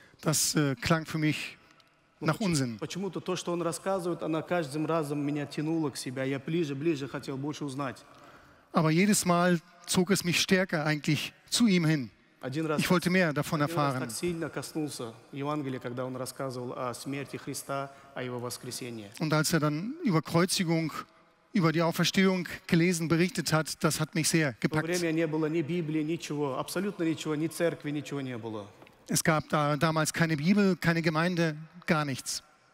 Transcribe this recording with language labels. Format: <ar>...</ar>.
<de>Das klang für mich nach Unsinn.</de> <ru>Почему-то то, что он рассказывает, она каждым разом меня тянула к себе. Я ближе хотел больше узнать.</ru> <de>Aber jedes Mal zog es mich stärker eigentlich zu ihm hin. Ich wollte mehr davon erfahren.</de> <ru>Так сильно коснулся Евангелия, когда он рассказывал о смерти Христа, о его воскресении.</ru> <de>Und als er dann über Kreuzigung, über die Auferstehung gelesen, berichtet hat, das hat mich sehr gepackt. Es gab da damals keine Bibel, keine Gemeinde, gar nichts.</de>